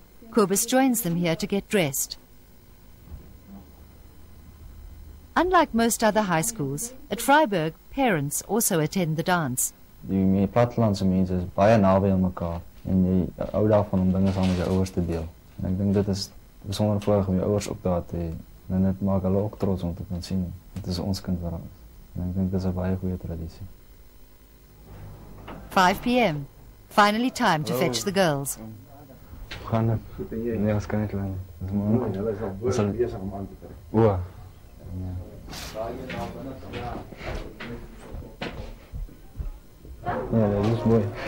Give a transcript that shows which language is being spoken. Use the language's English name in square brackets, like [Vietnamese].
[English] Kobus joins them here to get dressed. Unlike most other high schools, at Vryburg, parents also attend the dance. [Afrikaans] Die plattelandse mense is baie naby aan mekaar en jy hou daarvan om dinge saam met jou ouers te deel. En ek dink dit is besonder voorreg om jou ouers op daar te hê. En dit maak hulle ook trots om te kan sien. Dit is ons kind wat ons. En ek dink dit is 'n baie goeie traditie. [English] 5 p.m. Finally time to fetch the girls. [Afrikaans] Nee, ons kan nie lang. Ons moet nog eers aan die hand kry. Ja. Ja, dis mooi.